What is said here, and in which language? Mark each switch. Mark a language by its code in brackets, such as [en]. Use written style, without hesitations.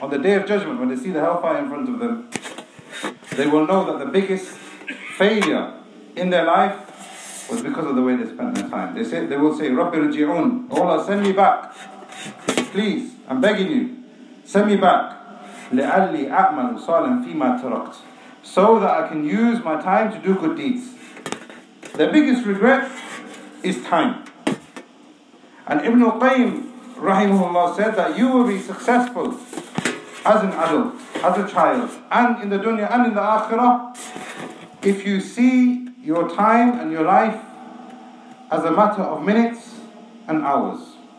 [en] On the Day of Judgment, when they see the hellfire in front of them, they will know that the biggest failure in their life was because of the way they spent their time. They will say, [ar] "Rabbi rji'un, [en] Allah, send me back. Please, I'm begging you, send me back. [ar] لِعَلِّي أَعْمَلُ صَالًا فِي مَا تَرَقْتُ. [en] So that I can use my time to do good deeds." Their biggest regret is time. And Ibn al-Qayyim, rahimahullah, said that you will be successful as an adult, as a child, and in the dunya and in the akhirah, if you see your time and your life as a matter of minutes and hours.